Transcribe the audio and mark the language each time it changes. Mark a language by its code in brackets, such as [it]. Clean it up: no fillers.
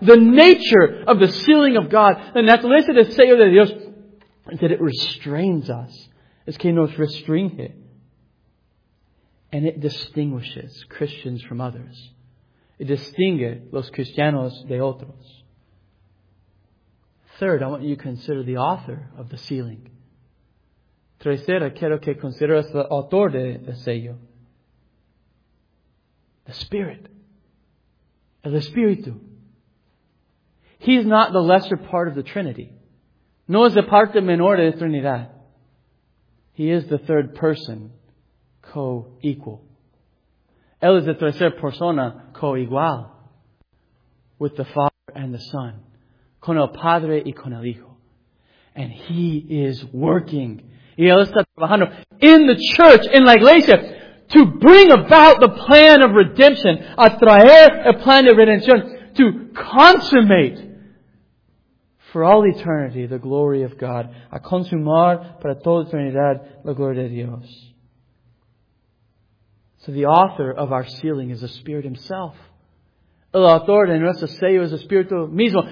[en] The nature of the sealing of God, the [es] naturaleza del sello de Dios, [en] is that it restrains us. [es] Es que nos restringe. [en] And it distinguishes Christians from others. [es] It distingue los cristianos de otros. [en] Third, I want you to consider the author of the sealing. [es] Tercera, quiero que consideres el autor del sello. [en] The Spirit. [es] El Espíritu. [en] He's not the lesser part of the Trinity. [es] No es la parte menor de la Trinidad. [en] He is the third person, co-equal. [es] Él es la tercera persona, co-igual, [en] with the Father and the Son, [es] con el Padre y con el Hijo. [en] And He is working, [es] y Él está trabajando, [en] in the church, in [es] la iglesia, [en] to bring about the plan of redemption, [es] a traer el plan de redención, [en] to consummate for all eternity, the glory of God. [es] A consumar para toda eternidad la gloria de Dios. [en] So the author of our sealing is the Spirit Himself. [es] El autor de nuestro sello es el Espíritu mismo.